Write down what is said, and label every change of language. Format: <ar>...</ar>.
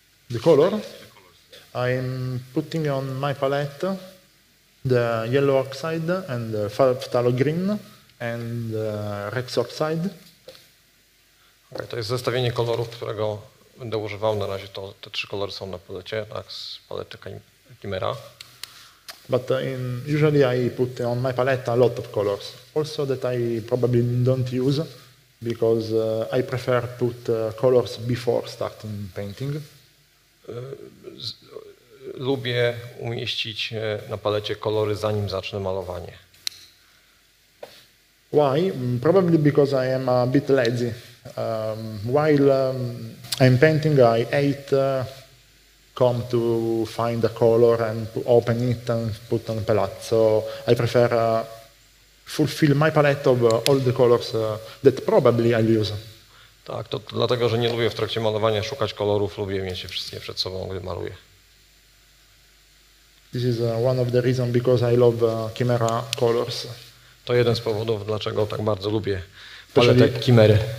<en>The color, I'm putting on my palette the yellow oxide and the phthalo green and the rex oxide.</en> <pl>Okay, to jest zestawienie kolorów, którego będę używał. Na razie to te trzy kolory są na palecie, tak, z palety Chimera.</pl> <en>But usually I put on my palette a lot of colors, also that I probably don't use, because I prefer put colors before starting painting.</en> <pl>Lubię umieścić na palecie kolory, zanim zacznę malowanie.</pl> <en>Why? Probably because I am a bit lazy. While I'm painting, I hate come to find a color and open it and put on a palette. So I prefer fulfill my palette of all the colors that probably I'll use.</en> <pl>Tak, to dlatego, że nie lubię w trakcie malowania szukać kolorów, lubię mieć wszystkie przed sobą, gdy maluję.</pl> <en>This is one of the reasons because I love Chimera colors.</en> <pl>To jeden z powodów, dlaczego tak bardzo lubię paletę Chimery.</pl>